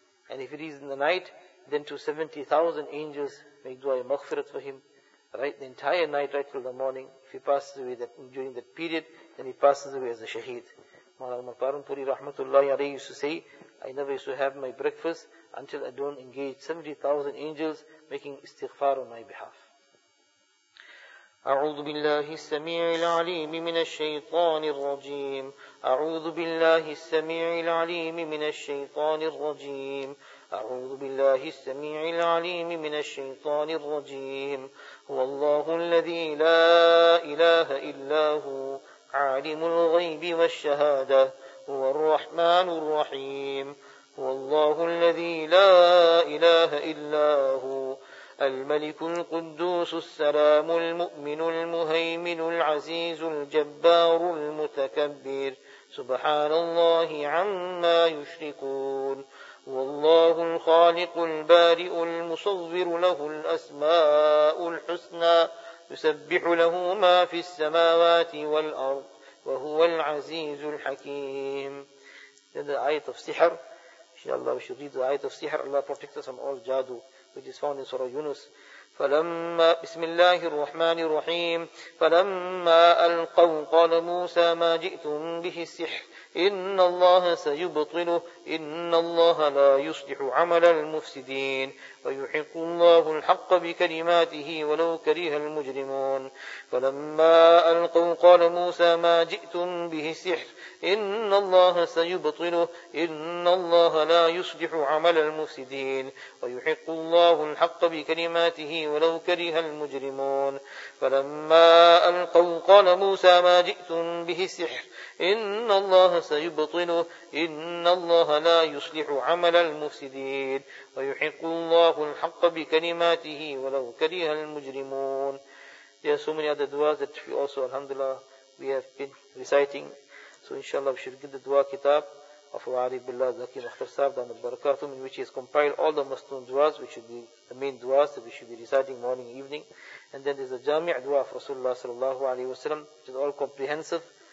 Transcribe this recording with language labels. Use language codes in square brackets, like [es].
[en] And if he reads in the night, then to 70,000 angels make dua maghfirah for him, right the entire night, right till the morning. If he passes away during that period, then he passes away as a shaheed. Maulana Umar Paranpuri rahmatullahi alayhi used to say, I never used to have my breakfast until I don't engage 70,000 angels making istighfar on my behalf. [ar] أعوذ بالله السميع العليم من الشيطان الرجيم. أعوذ بالله السميع العليم من الشيطان الرجيم. أعوذ بالله السميع العليم من الشيطان الرجيم. هو الله الذي لا إله إلا هو عالم الغيب والشهادة هو الرحمن الرحيم. هو الله الذي لا إله إلا هو الملك القدوس السلام المؤمن المهيمن العزيز الجبار المتكبر سبحان الله عما يشركون. والله الخالق البارئ المصور له الأسماء الحسنى يسبح له ما في السماوات والأرض وهو العزيز الحكيم. هذا آية السحر إن شاء الله بشريد آية السحر. [en] الله protect us from all jadu which is found in Surah Yunus. [ar] فلما بسم الله الرحمن الرحيم فلما ألقوا قال موسى ما جئتم به السحر إن الله سيبطله إن الله لا يصلح عمل المفسدين ويحق الله الحق بكلماته ولو كره المجرمون. فلما ألقوا قال موسى ما جئتم به السحر إن الله سيبطله إن الله لا يصلح عمل المفسدين ويحق الله الحق بكلماته ولو كره المجرمون. فلما ألقوا قال موسى ما جئتم به السحر إن الله سيبطله إن الله لا يصلح عمل المفسدين ويحق الله الحق بكلماته ولو كره المجرمون. [en] There are so many other duas that we also, alhamdulillah, we have been reciting. So inshallah we should give the dua kitab of Ali Billah Zaki Akhtar Sahib Dhan al-Barakatum, in which he has compiled all the Maslum duas, which should be the main duas that we should be reciting morning and evening. And then there's the Jami' dua of Rasulullah sallallahu alayhi wasallam, which is all comprehensive.